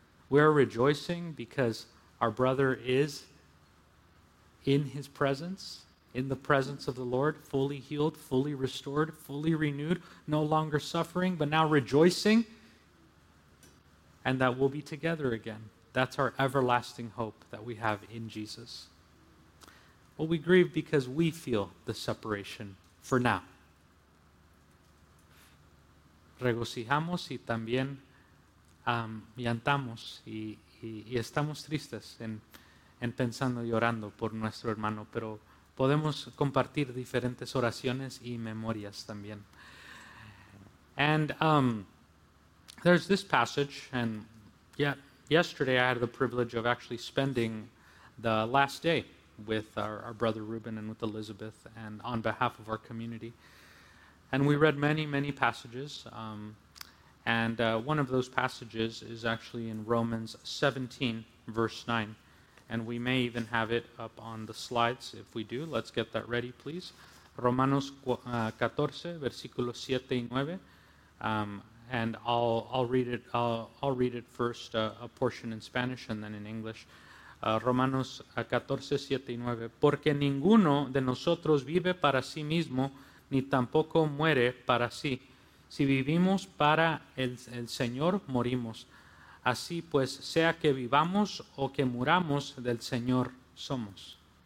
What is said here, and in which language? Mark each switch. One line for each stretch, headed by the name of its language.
English: We are rejoicing because our brother is in his presence, in the presence of the Lord, fully healed, fully restored, fully renewed, no longer suffering, but now rejoicing, and that we'll be together again. That's our everlasting hope that we have in Jesus. Well, we grieve because we feel the separation for now.
Spanish: Regocijamos y también llantamos y estamos tristes en pensando llorando por nuestro hermano, pero podemos compartir diferentes oraciones y memorias también.
English: And there's this passage, and yesterday I had the privilege of actually spending the last day with our brother Ruben and with Elizabeth and on behalf of our community. And we read many, many passages. And one of those passages is actually in Romans 17, verse 9. And we may even have it up on the slides. If we do, let's get that ready, please.
Spanish: Romanos 14, versículos 7 y 9.
English: And I'll read it first, a portion in Spanish and then in English.
Spanish: Romanos 14, 7 y 9. Porque ninguno de nosotros vive para sí mismo, ni tampoco muere para sí. Si vivimos para el Señor, morimos. Así pues, sea que vivamos o que muramos, del Señor somos.